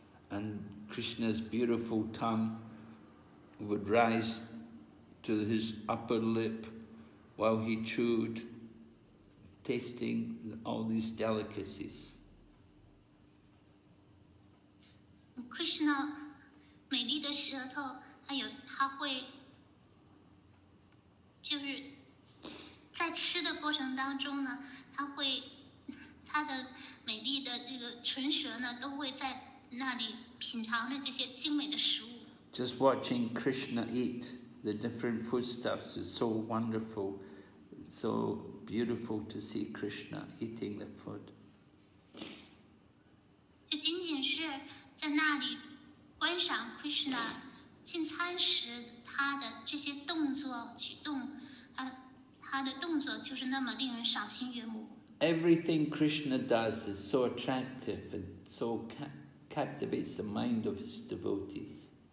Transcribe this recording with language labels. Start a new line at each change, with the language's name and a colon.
English: And Krishna's beautiful tongue would rise to his upper lip while he chewed, tasting all these delicacies.
Chinese: Krishna, 美丽的舌头，还有他的美丽的这个唇舌呢，都会在那里品尝着这些精美的食物。
English: Just watching Krishna eat the different foodstuffs is so wonderful, it's so beautiful to see Krishna eating the food.
Chinese: 就仅仅是。在那里观赏 Krishna 进餐时他的这些动作举动，他的动作就是那么令人赏心悦目。
English: Everything Krishna does is so attractive and so captivates the mind of his devotees.